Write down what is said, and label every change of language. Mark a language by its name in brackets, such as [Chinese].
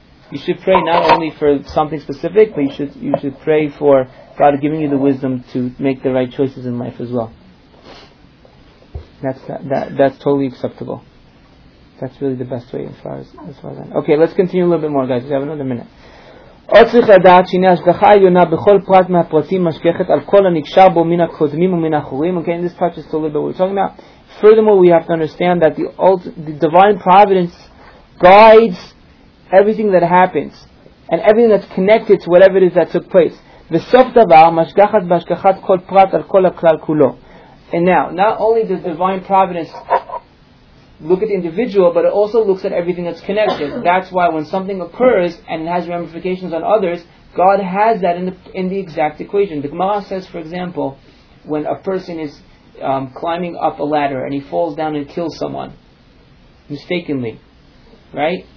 [English] You should pray not only for something specific, but you should pray for God giving you the wisdom to make the right choices in life as well. That's totally acceptable. That's really the best way as far as that. Okay, let's continue a little bit more, guys. We have another minute. [Hebrew] עוד צריך לדעת שהנה השגחה עיונה בכל פרט מהפרטים משגחת על כל הנקשר בו מן הקודמים ומן האחורים. [English] Okay, this part is totally about what we're talking about. Furthermore, we have to understand that the divine providence guides everything that happens and everything that's connected to whatever it is that took place. [Hebrew] וסוף דבר משגחת בהשגחת כל פרט על כל הכלל כולו. [English] And now, not only does divine providence look at the individual, but it also looks at everything that's connected. That's why when something occurs and it has ramifications on others, God has that in the exact equation. The Gemara says, for example, when a person is climbing up a ladder and he falls down and kills someone mistakenly, right?